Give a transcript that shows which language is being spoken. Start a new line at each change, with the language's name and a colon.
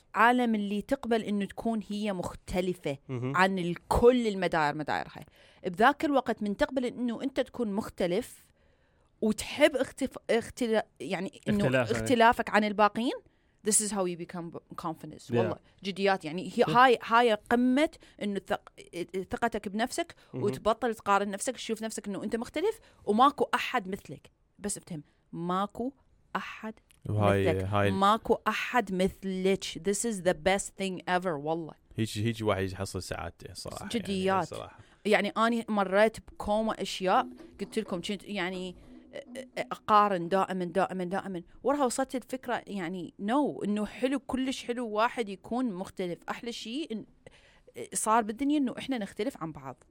Arabic: عالم اللي تقبل إنه تكون هي مختلفة عن الكل المدائر مدائرها بذاك الوقت من تقبل إنه أنت تكون مختلف وتحب اختلافك عن الباقين
English: this is how you become confidence yeah.
Arabic: والله جديات يعني هي هاي قمة إنه ثقتك بنفسك وتبطل تقارن نفسك تشوف نفسك إنه أنت مختلف وماكو أحد مثلك بس بتهم ماكو أحد هاي ماكو أحد مثلك
English: this is the best thing ever
Arabic: والله هيج واحد يحصل سعادته صراحة جديات يعني, صراحة. يعني أنا مريت بكومة أشياء قلت لكم يعني أقارن دائما دائما دائما وراها وصلت الفكرة يعني نو إنه حلو كلش حلو واحد يكون مختلف أحلى شيء صار بالدنيا إنه إحنا نختلف عن بعض